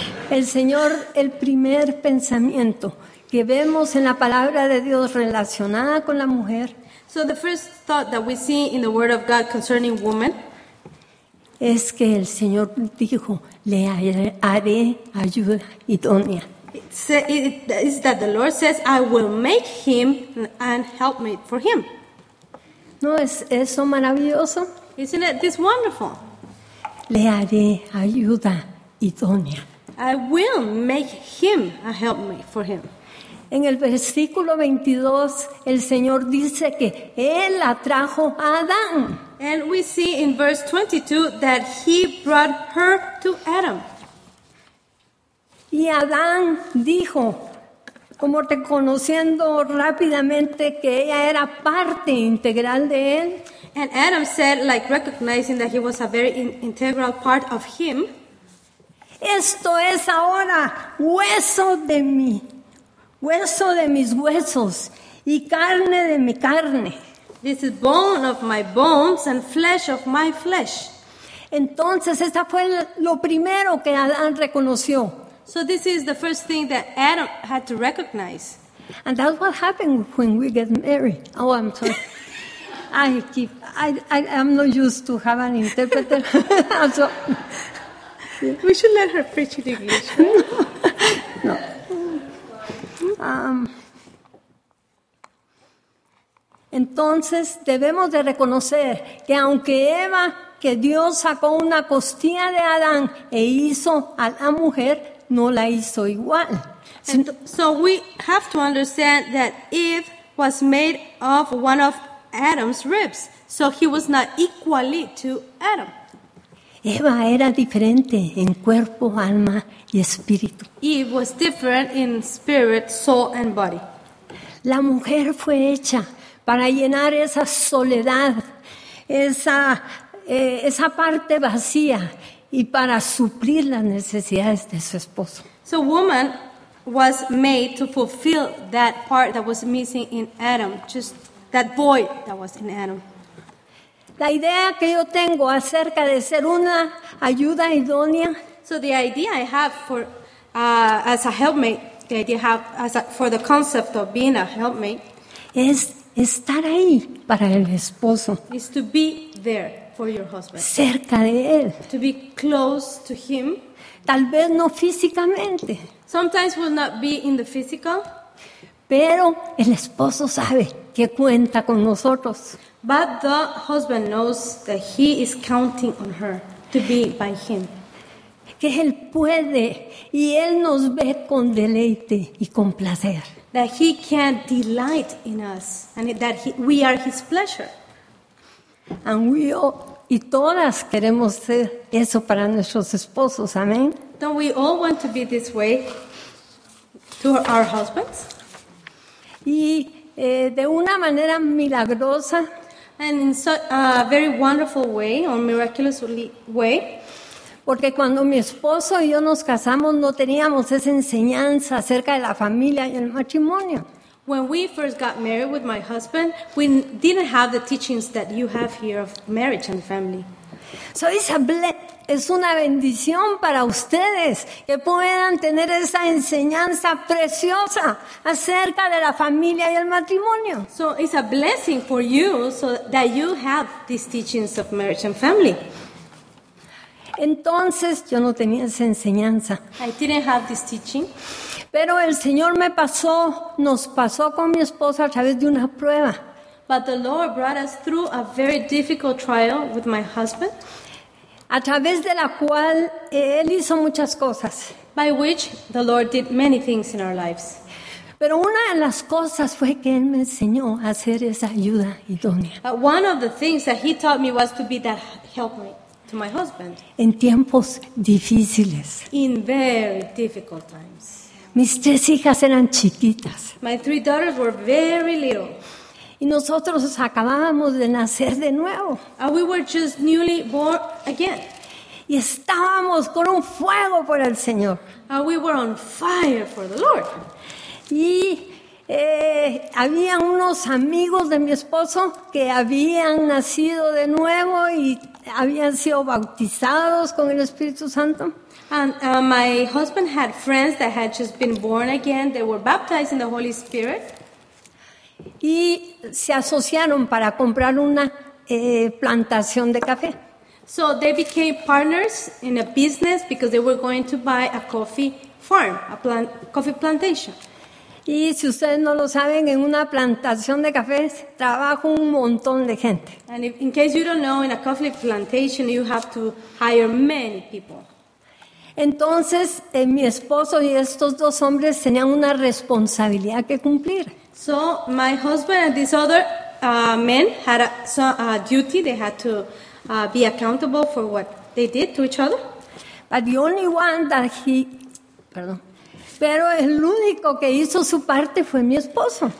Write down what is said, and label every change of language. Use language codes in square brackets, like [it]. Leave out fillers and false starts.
[es] El Señor, el primer pensamiento que vemos en la palabra de Dios relacionada con la mujer. [en] So the first thought that we see in the word of God concerning woman [es] es que el Señor dijo, le haré ayuda idónea. [en] It's that the Lord says, I will make him an helpmate for him. [es] ¿No es eso maravilloso? [en] Isn't it this wonderful? [es] Le haré ayuda idónea. [en] I will make him a helpmate for him. [es] En el versículo 22, el Señor dice que Él atrajo a Adán. [en] And we see in verse 22 that he brought her to Adam. [es] Y Adán dijo, como reconociendo rápidamente que ella era parte integral de él. [en] And Adam said, like recognizing that he was a very integral part of him. [es] Esto es ahora hueso de mí, hueso de mis huesos y carne de mi carne. [en] This is bone of my bones and flesh of my flesh. [es] Entonces, esta fue lo primero que Adán reconoció. [en] So this is the first thing that Adam had to recognize. And that's what happened when we get married. Oh, I'm sorry. I'm not used to have an interpreter. So, we should let her preach in English. Right? No. [es] Entonces, debemos de reconocer que aunque Eva, que Dios sacó una costilla de Adán e hizo a la mujer, no la hizo igual. [en] So we have to understand that Eve was made of one of Adam's ribs, so he was not equally to Adam. [es] Eva era diferente en cuerpo, alma y espíritu. [en] Eve was different in spirit, soul, and body. [es] La mujer fue hecha para llenar esa soledad, esa parte vacía, y para suplir las necesidades de su esposo. [en] So woman was made to fulfill that part that was missing in Adam, just that void that was in Adam. [es] La idea que yo tengo acerca de ser una ayuda idónea. [en] So the idea I have for as a helpmate, the idea I have as a, for the concept of being a helpmate, [es] es estar ahí para el esposo. [en] Is to be there for your husband. [es] Cerca de él. [en] To be close to him. [es] Tal vez no físicamente. [en] Sometimes will not be in the physical. [es] Pero el esposo sabe que cuenta con nosotros. [en] But the husband knows that he is counting on her to be by him. [es] Que él puede y él nos ve con deleite y con placer. [en] That he can delight in us and that we are his pleasure. And we all, [es] y todas queremos ser eso para nuestros esposos, amén. [en] Don't we all want to be this way to our husbands? [es] Y de una manera milagrosa. [en] And in a very wonderful way, or miraculous way. [es] Porque cuando mi esposo y yo nos casamos, no teníamos esa enseñanza acerca de la familia y el matrimonio. [en] When we first got married with my husband, we didn't have the teachings that you have here of marriage and family. [es] So es una bendición para ustedes que puedan tener esa enseñanza preciosa acerca de la familia y el matrimonio. [en] So it's a blessing for you so that you have these teachings of marriage and family. [es] Entonces yo no tenía esa enseñanza. [en] I didn't have this teaching. [es] Pero el Señor nos pasó con mi esposa a través de una prueba. [en] But the Lord brought us through a very difficult trial with my husband. [es] A través de la cual él hizo muchas cosas. [en] By which the Lord did many things in our lives. [es] Pero una de las cosas fue que él me enseñó a ser esa ayuda idónea. [en] But one of the things that he taught me was to be that helpmate to my husband. [es] En tiempos difíciles. [en] In very difficult times. [es] Mis tres hijas eran chiquitas. [en] My three daughters were very little. [es] Y nosotros acabábamos de nacer de nuevo. [en] And we were just newly born again. [es] Y estábamos con un fuego por el Señor. [en] And we were on fire for the Lord. [es] Y había unos amigos de mi esposo que habían nacido de nuevo y habían sido bautizados con el Espíritu Santo. [en] And my husband had friends that had just been born again. They were baptized in the Holy Spirit. [es] Y se asociaron para comprar una plantación de café. [en] So they became partners in a business because they were going to buy a coffee farm, coffee plantation. [es] Y si ustedes no lo saben, en una plantación de café trabaja un montón de gente. [en] And in case you don't know, in a coffee plantation you have to hire many people. [es] Entonces, mi esposo y estos dos hombres tenían una responsabilidad que cumplir. [en] So, my husband and this other man had a duty. They had to be accountable for what they did to each other. But the only one that he, perdón. [es] Pero el único que hizo su parte fue mi esposo.